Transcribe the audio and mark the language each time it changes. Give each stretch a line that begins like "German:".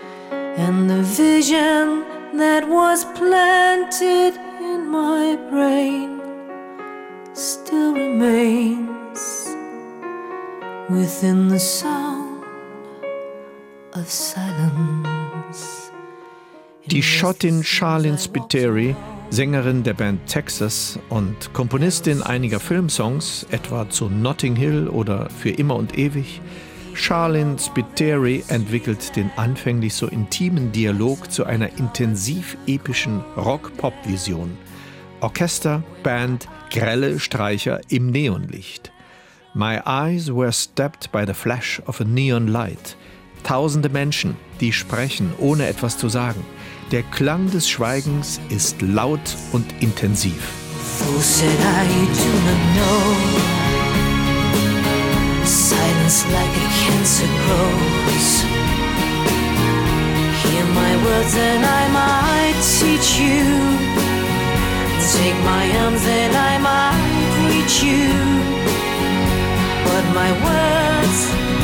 English: And the vision that was planted in my brain still remains within the sound of silence.
German: Die Schottin Charlene Spiteri, Sängerin der Band Texas und Komponistin einiger Filmsongs, etwa zu Notting Hill oder Für immer und ewig, Charlene Spiteri entwickelt den anfänglich so intimen Dialog zu einer intensiv-epischen Rock-Pop-Vision. Orchester, Band, grelle Streicher im Neonlicht.
English: My eyes were stabbed by the flash of a neon light.
German: Tausende Menschen, die sprechen, ohne etwas zu sagen. Der Klang des Schweigens ist laut und intensiv.
English: Who said I do not know? Silence like a cancer grows. Hear my words and I might teach you. Take my arms and I might reach you. But my words